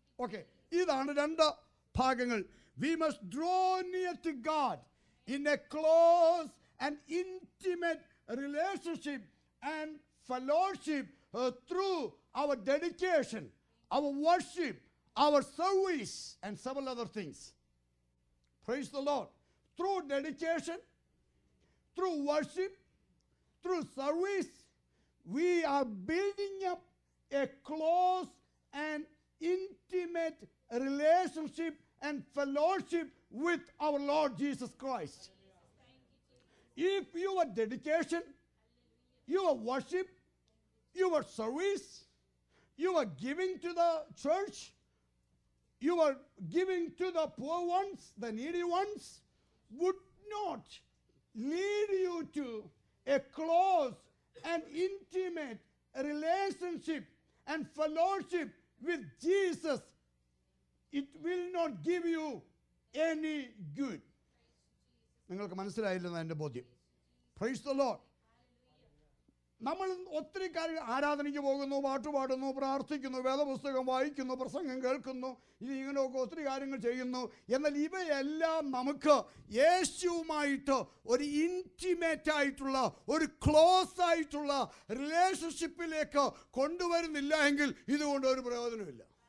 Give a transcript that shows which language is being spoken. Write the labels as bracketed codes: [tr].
[ml] Okay, ഇതാണ് രണ്ട് ഭാഗങ്ങൾ. [en] We must draw near to God in a close and intimate relationship and fellowship through our dedication, our worship, our service and several other things. Praise the Lord. Through dedication, through worship, through service, we are building up a close and intimate relationship and fellowship with our Lord Jesus Christ. If your dedication, your worship, your service, your giving to the church, your giving to the poor ones, the needy ones, would not lead you to a close and intimate relationship and fellowship with Jesus, it will not give you any good. [ml] നിങ്ങൾക്ക് മനസ്സിലായില്ലെന്നാണ് എൻ്റെ ബോധ്യം. [en] Praise the lord. [ml] നമ്മൾ ഒത്തിരി കാര്യങ്ങൾ ആരാധനയ്ക്ക് പോകുന്നു, പാട്ട് പാടുന്നു, പ്രാർത്ഥിക്കുന്നു, വേദപുസ്തകം വായിക്കുന്നു, പ്രസംഗം കേൾക്കുന്നു, ഇനി ഇങ്ങനെയൊക്കെ ഒത്തിരി കാര്യങ്ങൾ ചെയ്യുന്നു. എന്നാൽ ഇവയെല്ലാം നമുക്ക് യേശുവുമായിട്ട് ഒരു ഇൻറ്റിമേറ്റ് ആയിട്ടുള്ള, ഒരു ക്ലോസ് ആയിട്ടുള്ള റിലേഷൻഷിപ്പിലേക്ക് കൊണ്ടുവരുന്നില്ല എങ്കിൽ ഇതുകൊണ്ട് ഒരു പ്രയോജനമില്ല.